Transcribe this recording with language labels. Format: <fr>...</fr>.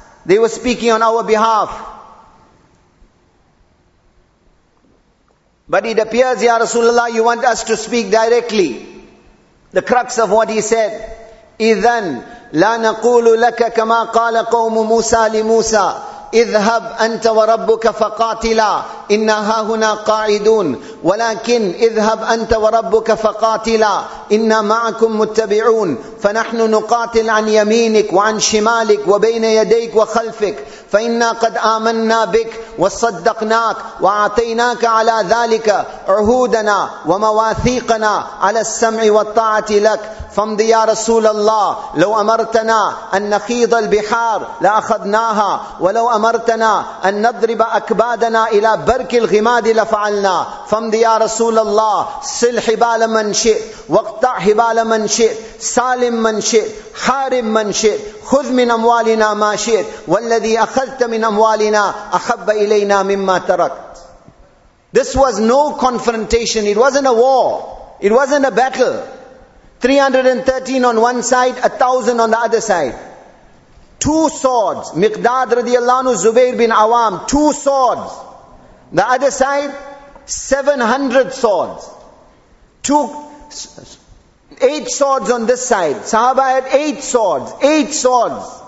<en>They were speaking on our behalf. But it appears, Ya Rasulullah, you want us to speak directly. The crux of what he said,</en> <ar>إِذَنْ لَا نَقُولُ لَكَ كَمَا قَالَ قَوْمُ مُوسَى لِمُوسَى اذهب أنت وربك فقاتلا إن هاهنا قاعدون ولكن اذهب أنت وربك فقاتلا إن معكم متبعون فنحن نقاتل عن يمينك وعن شمالك وبين يديك وخلفك فإنا قد آمنا بك وصدقناك وعطيناك على ذلك عهودنا ومواثيقنا على السمع والطاعة لك فامضي يا رسول الله لو أمرتنا أن نخيض البحار لأخذناها ولو أمرتنا أن نضرب أكبادنا إلى برك الغماد لفعلنا فامضي يا رسول الله سل حبال من شئت واقطع حبال من شئت سالم من شئت حارم من شئت خذ من أموالنا ما شئت والذي أخذت من أموالنا أحب إلينا مما تركت.</ar> <en>This was no confrontation. It wasn't a war. It wasn't a battle. 313 on one side, 1,000 on the other side. Two swords, Miqdad radiallahu anhu, Zubair bin Awam, two swords. The other side, 700 swords. Two, 8 swords on this side. Sahaba had 8 swords, 8 swords.</en>